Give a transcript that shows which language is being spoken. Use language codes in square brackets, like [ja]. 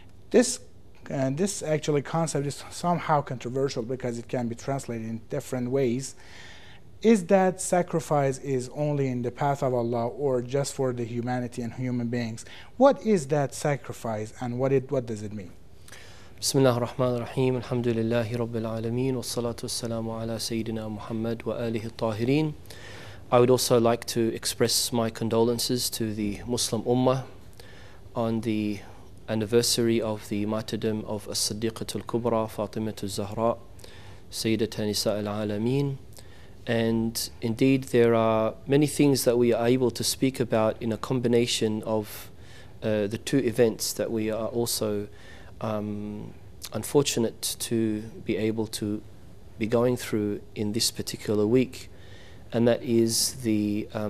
[en] This concept is somehow controversial because it can be translated in different ways. Is that sacrifice is only in the path of Allah or just for the humanity and human beings? What is that sacrifice and what does it mean? [ar] بسم الله الرحمن الرحيم الحمد لله رب العالمين والصلاة والسلام على سيدنا محمد وآله الطاهرين. [en] I would also like to express my condolences to the Muslim Ummah on the anniversary of the martyrdom of As-Siddiqatul Kubra, Fatimatul Zahra, Sayyidatul Nisa al-Alameen. And indeed, there are many things that we are able to speak about in a combination of the two events that we are also unfortunate to be able to be going through in this particular week, and that is the